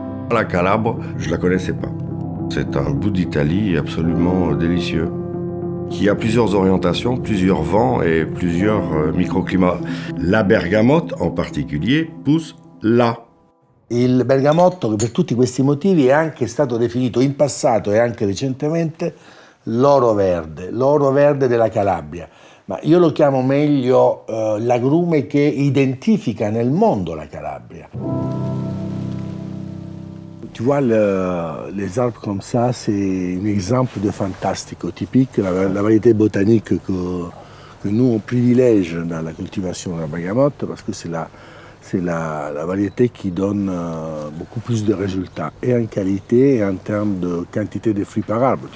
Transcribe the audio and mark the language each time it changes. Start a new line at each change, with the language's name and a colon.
French: La Calabre, je la connaissais pas. C'est un bout d'Italie absolument délicieux, qui a plusieurs orientations, plusieurs vents et plusieurs microclimats. La bergamote, en particulier, pousse là.
Italian: Il bergamotto, per tutti questi motivi, è anche stato definito in passato e anche recentemente l'oro verde della Calabria. Ma io lo chiamo meglio l'agrume che identifica nel mondo la Calabria.
French: Tu vois, les arbres comme ça, c'est un exemple de fantastico typique, la variété botanique que nous, on privilège dans la cultivation de la bergamote, parce que c'est la variété qui donne beaucoup plus de résultats, et en qualité, et en termes de quantité de fruits par arbre.